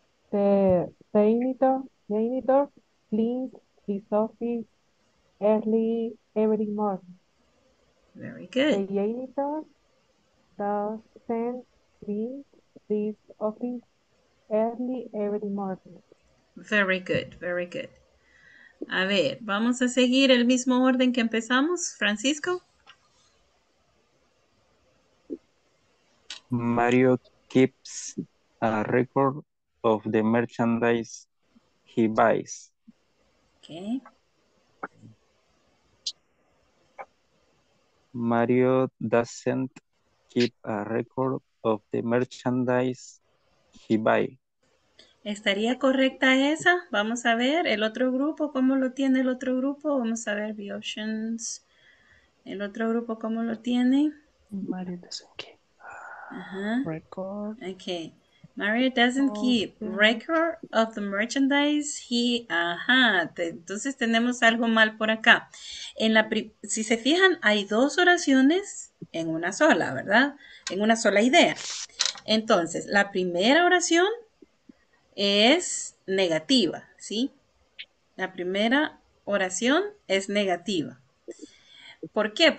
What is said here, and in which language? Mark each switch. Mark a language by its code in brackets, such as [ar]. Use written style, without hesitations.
[en] The janitor cleans his office early every morning. Very good. The janitor doesn't clean this office early every morning. Very good, very good. [es] A ver, vamos a seguir el mismo orden que empezamos, Francisco. [en] Mario keeps a record of the merchandise he buys. Okay. Mario doesn't keep a record of the merchandise he buys. [es] ¿Estaría correcta esa? Vamos a ver el otro grupo, ¿cómo lo tiene el otro grupo? Vamos a ver [en] the options. [es] ¿El otro grupo cómo lo tiene? [en] Mario doesn't keep. Uh-huh. Record. Okay. Mario doesn't keep record of the merchandise he. [es] Ajá. Entonces tenemos algo mal por acá. En la si se fijan, hay dos oraciones en una sola, ¿verdad? En una sola idea. Entonces, la primera oración es negativa, ¿sí? La primera oración es negativa. ¿Por qué?